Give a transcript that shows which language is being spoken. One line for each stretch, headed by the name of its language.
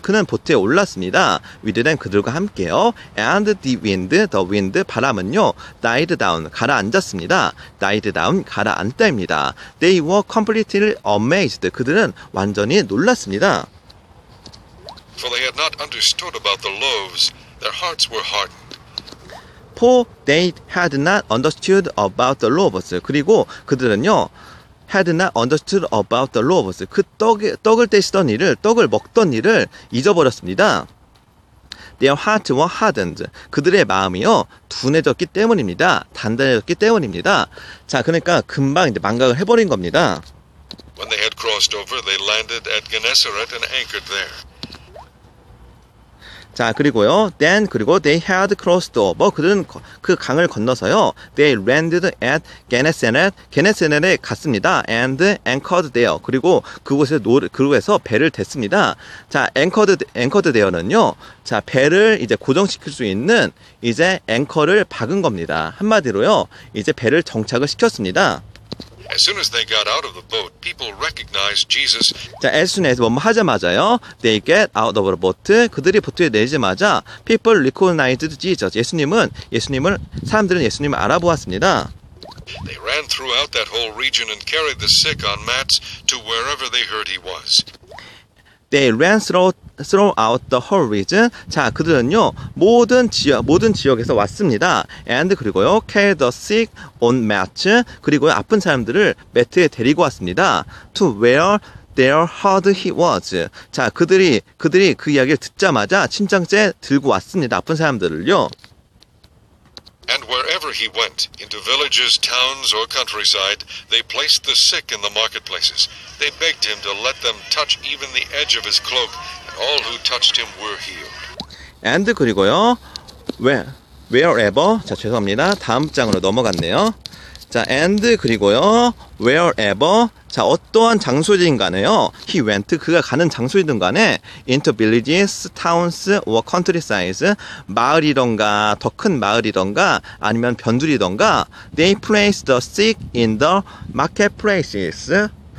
Korean: 그는 보트에 올랐습니다.
English: With them,
Korean: 그들과 함께요.
English: And the wind,
Korean: 바람은요,
English: died down,
Korean: 가라앉았습니다.
English: Died down,
Korean: 가라앉다입니다.
English: They were completely amazed.
Korean: 그들은 완전히 놀랐습니다.
English: For they had not understood about the loaves, their hearts were hardened. For they had not understood about the loaves.
Korean: 그리고 그들은요,
English: had not understood about the loaves.
Korean: 그 떡을 떼시던 일을, 떡을 먹던 일을 잊어버렸습니다.
English: Their hearts were hardened.
Korean: 그들의 마음이요, 둔해졌기 때문입니다. 단단해졌기 때문입니다. 자, 그러니까 금방 이제 망각을 해버린 겁니다.
English: When they had crossed over, they landed at Gennesaret and anchored there.
Korean: 자, 그리고요,
English: then,
Korean: 그리고
English: they had crossed over,
Korean: 그들은 그 강을 건너서요,
English: they landed at Gennesaret,
Korean: Gennesaret에 갔습니다.
English: And anchored there,
Korean: 그리고 그곳에 그곳에서 배를 댔습니다. 자,
English: anchored there
Korean: 는요, 자, 배를 이제 고정시킬 수 있는 이제 앵커를 박은 겁니다. 한마디로요, 이제 배를 정착을 시켰습니다.
English: As soon as they got out of the boat, people recognized Jesus. 자, as soon as
Korean: 뭐 하자마자요,
English: they get out of the boat.
Korean: 그들이 보트에 내리자마자,
English: people recognized Jesus.
Korean: 사람들은 예수님을 알아보았습니다.
English: They ran throughout that whole region and carried the sick on mats to wherever they heard he was. They ran throughout the whole region.
Korean: 자, 그들은요, 모든 지역에서 왔습니다.
English: And
Korean: 그리고요,
English: carry the sick on mats.
Korean: 그리고요, 아픈 사람들을 매트에 데리고 왔습니다.
English: To where their heart he was.
Korean: 자, 그들이 그 이야기를 듣자마자 침장째 들고 왔습니다. 아픈 사람들을요.
English: And wherever he went, into villages, towns, or countryside, they placed the sick in the marketplaces. They begged him to let them touch even the edge of his cloak, and all who touched him were healed.
Korean: And 그리고요,
English: wherever,
Korean: 자, 죄송합니다. 다음 장으로 넘어갔네요.
English: 자, and
Korean: 그리고요,
English: wherever,
Korean: 자, 어떠한 장소이든 간에요,
English: he went,
Korean: 그가 가는 장소이든 간에,
English: into villages, towns, or countryside,
Korean: 마을이던가, 더 큰 마을이던가, 아니면 변두리던가,
English: they placed the sick in the marketplaces.